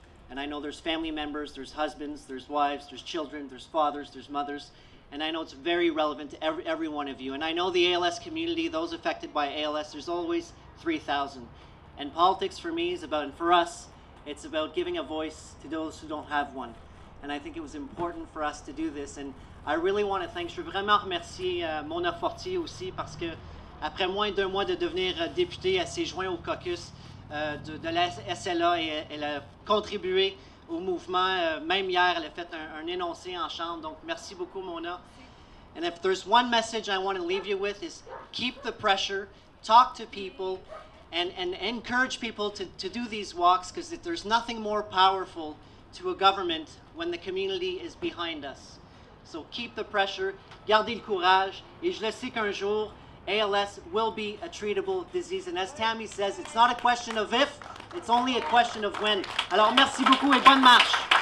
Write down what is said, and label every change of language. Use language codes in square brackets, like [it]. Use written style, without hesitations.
[en] And I know there's family members, there's husbands, there's wives, there's children, there's fathers, there's mothers, and I know it's very relevant to every one of you. And I know the ALS community, those affected by ALS, there's always 3,000. And politics for me is about, and for us, it's about giving a voice to those who don't have one. And I think it was important for us to do this. And I really want to thank, [fr] je veux vraiment remercier Mona Forti aussi, parce que après moins d'un mois de devenir députée, elle s'est joint au caucus de la SLA et elle a contribué au mouvement. Même hier, elle a fait un énoncé en chambre. Donc, merci beaucoup, Mona. [en] And if there's one message I want to leave you with is keep the pressure, talk to people, and encourage people to do these walks, because there's nothing more powerful to a government when the community is behind us. So keep the pressure, [fr] gardez le courage, et je le sais qu'un jour, [en] ALS will be a treatable disease. And as Tammy says, it's not a question of if, it's only a question of when. [fr] Alors merci beaucoup et bonne marche.